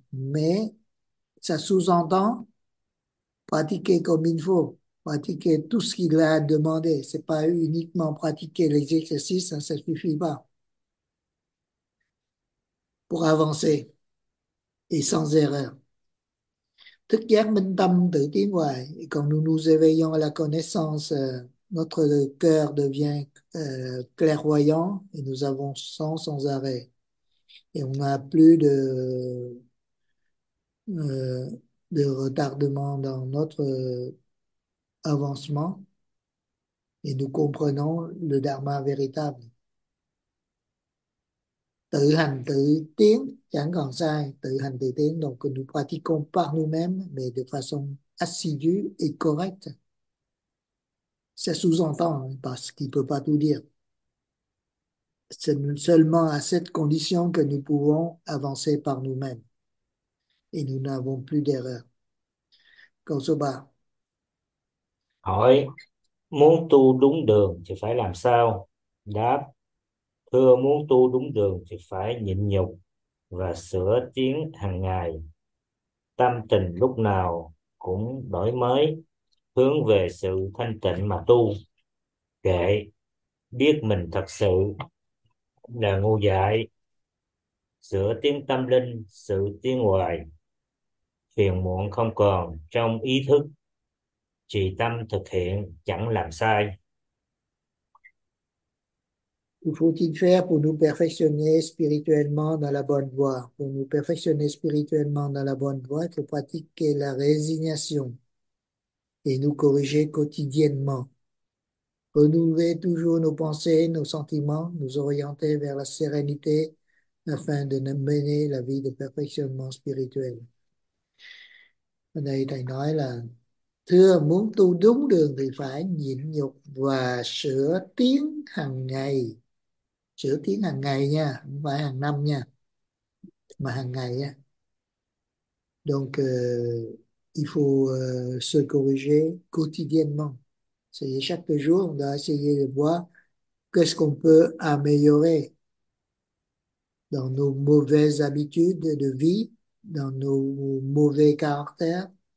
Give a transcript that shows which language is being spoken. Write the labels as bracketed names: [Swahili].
[French] Mais ça sous-entend pratiquer comme il faut, pratiquer tout ce qu'il a demandé. Ce n'est pas uniquement pratiquer les exercices, hein, ça ne suffit pas pour avancer et sans erreur. [Vietnamese] Thức giác minh tâm tự tiến hoài. [French] Et quand nous nous éveillons à la connaissance, notre cœur devient clairvoyant et nous avançons sans arrêt. Et on n'a plus de retardement dans notre avancement et nous comprenons le dharma véritable. [Vietnamese] Tự hành tự tiến [French] chẳng còn sai, tự hành tự tiến, donc nous pratiquons par nous-mêmes mais de façon assidue et correcte. Ça sous-entend, parce qu'il ne peut pas tout dire. C'est seulement à cette condition que nous pouvons avancer par nous-mêmes. Et nous n'avons plus d'erreur. Konsoba. [Vietnamese] Hỏi: muốn tu đúng đường thì phải làm sao? Đáp: thưa, muốn tu đúng đường thì phải nhịn nhục và sửa tiến hàng ngày, tâm tình lúc nào cũng đổi mới hướng về sự thanh tịnh mà tu. Kệ, biết mình thật sự là ngu dại, sửa tiến tâm linh, sự tiến hoài, phiền muộn không còn trong ý thức, trì tâm thực hiện chẳng làm sai. [French] Que faut-il faire pour nous perfectionner spirituellement dans la bonne voie? Pour nous perfectionner spirituellement dans la bonne voie, il faut pratiquer la résignation et nous corriger quotidiennement. Renouveler toujours nos pensées, nos sentiments, nous orienter vers la sérénité afin de mener la vie de perfectionnement spirituel. [Vietnamese] Đây, thầy nói là, thưa, muốn tu đúng đường thì phải nhịn nhục và sửa tiến hàng ngày. Sửa tiến hàng ngày nha, không phải hàng năm nha, mà hàng ngày á. [French] Donc, il faut se corriger quotidiennement. C'est-à-dire chaque jour, on doit essayer de voir qu'est-ce qu'on peut améliorer dans nos mauvaises habitudes de vie, dans nos mauvais caractères.